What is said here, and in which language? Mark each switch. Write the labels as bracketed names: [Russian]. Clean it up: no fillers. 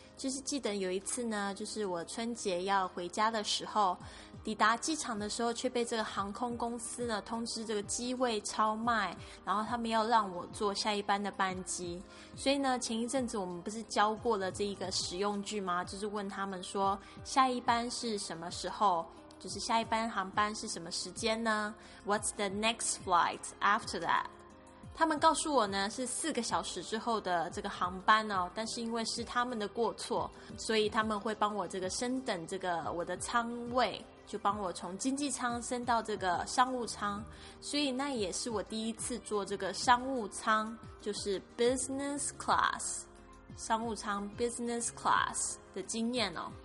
[Chinese] 就是记得有一次呢，就是我春节要回家的时候，抵达机场的时候却被这个航空公司呢通知这个机位超卖，然后他们要让我坐下一班的班机。所以呢前一阵子我们不是教过了这一个实用句吗？就是问他们说下一班是什么时候，就是下一班航班是什么时间呢？ [English] What's the next flight after that? [Chinese] 他们告诉我呢是4小时之后的这个航班哦，但是因为是他们的过错，所以他们会帮我这个升等这个我的舱位，就帮我从经济舱升到这个商务舱。所以那也是我第一次坐这个商务舱，就是 [English] business class， [Chinese] 商务舱 business class的经验哦。